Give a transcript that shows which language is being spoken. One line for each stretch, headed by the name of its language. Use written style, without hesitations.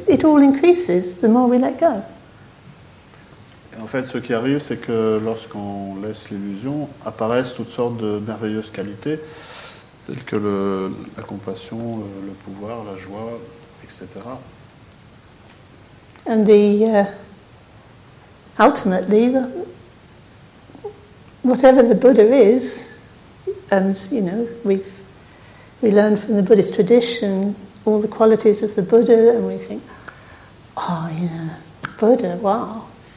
English: It all increases the more we let go.
French: En fait, ce qui arrive, c'est que lorsqu'on laisse l'illusion, apparaissent toutes sortes de merveilleuses qualités, telles que la compassion, le pouvoir, la joie, etc.
English: And ultimately, whatever the Buddha is, and you know, we learn from the Buddhist tradition all the qualities of the Buddha, and we think, oh yeah, Buddha, wow.